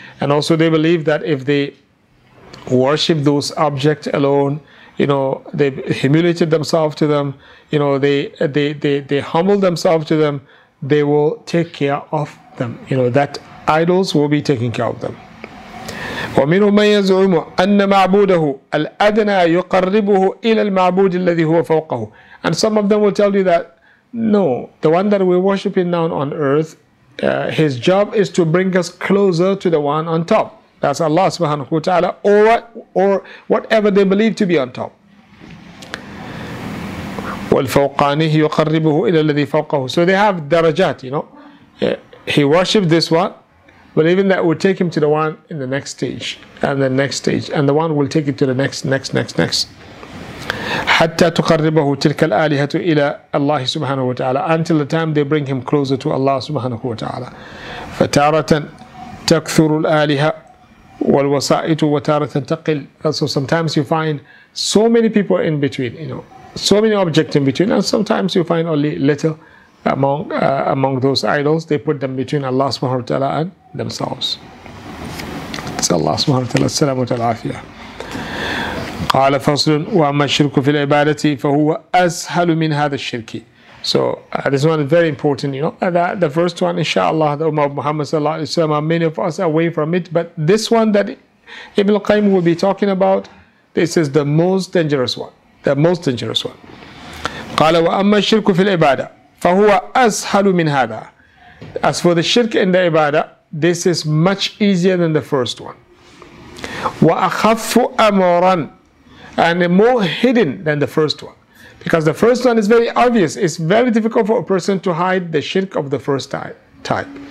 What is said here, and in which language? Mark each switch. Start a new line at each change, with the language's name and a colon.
English: And also they believe that if they worship those objects alone, you know, they humiliated themselves to them, you know, they humble themselves to them, they will take care of them. You know, that idols will be taking care of them.
Arabic: وَمِنْهُمْ مَنْ يَزْعُمُ أَنَّ مَعْبُودَهُ الْأَدْنَى يُقَرِّبُهُ إِلَى الْمَعْبُودِ الَّذِي هُوَ فَوْقَهُ.
English: And some of them will tell you that No, the one that we're worshipping now on earth, his job is to bring us closer to the one on top. That's Allah subhanahu wa ta'ala, or whatever they believe to be on top.
Arabic: وَالْفَوْقَانِهِ يُقَرِّبُهُ إِلَى الَّذِي فَوْقَهُ.
English: So they have darajat, you know. He worshipped this one, believing that will take him to the one in the next stage, and the next stage, and the one will take it to the next.
Arabic: حَتَّى تُقَرِّبَهُ تِلْكَ الْآلِهَةُ إِلَى اللَّهِ سُبْحَانَهُ وَتَعَالَى.
English: Until the time they bring him closer to Allah subhanahu wa ta'ala.
Arabic: فَتَارَةً تَكْثُرُ الْآلِهَةُ وَالْوَسَائِتُ وَتَارَةً تَقِلُ.
English: So sometimes you find so many people in between, you know, so many objects in between, and sometimes you find only little among those idols. They put them between Allah subhanahu wa ta'ala and themselves. It's Allah subhanahu wa ta'ala, salam wa ta'ala afiyah.
Arabic: قال فصل وأما الشرك في العبادة فهو أسهل من هذا الشرك.
English: So this one is very important, you know, that the first one, inshallah, the Ummah of Muhammad sallallahu alaihi wasallam, many of us away from it, but this one that Ibn Qayyim will be talking about, this is the most dangerous one, the most dangerous one.
Arabic: قال وأما الشرك في العبادة فهو أسهل من هذا.
English: As for the shirk in the ibadah, this is much easier than the first one.
Arabic: وأخف أمرا,
English: and more hidden than the first one. Because the first one is very obvious. It's very difficult for a person to hide the shirk of the first type.